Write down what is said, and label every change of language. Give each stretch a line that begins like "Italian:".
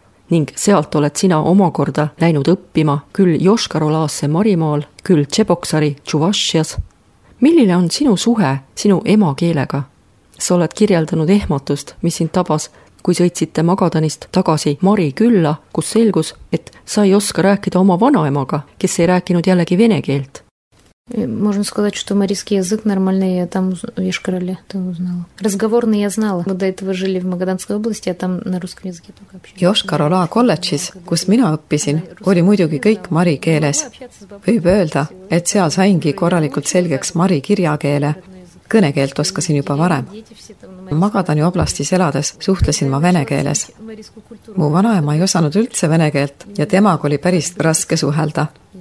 Estonian: Ning sealt oled sina omakorda läinud õppima küll Joškarolaasse Marimaal, küll Tšeboksari Čuvašias. Milline on sinu suhe sinu emakeelega? Sa oled kirjeldanud ehmatust, mis sind tabas, kui sõitsite Magadanist tagasi Mari külla, kus selgus, et sa ei oska rääkida oma vanaemaga, kes ei rääkinud jällegi vene keelt.
Russian: Можно сказать, что марийский язык нормальный, я там в Йошкар-Оле узнала. Разговорный я знала. Мы до этого жили в Магаданской области, а там на русском языке только общались. Йошкар-Ола колледжис,
Estonian: kus mina õppisin, oli muidugi kõik mari keeles. Võib öelda, et seal saingi korralikult selgeks mari kirjakeele. Kõnekeelt oskasin juba varem. Magadani oblastis elades suhtlesin ma vene keeles. Mu vanaema ei osanud üldse vene keelt ja temaga oli päris raske suhelda.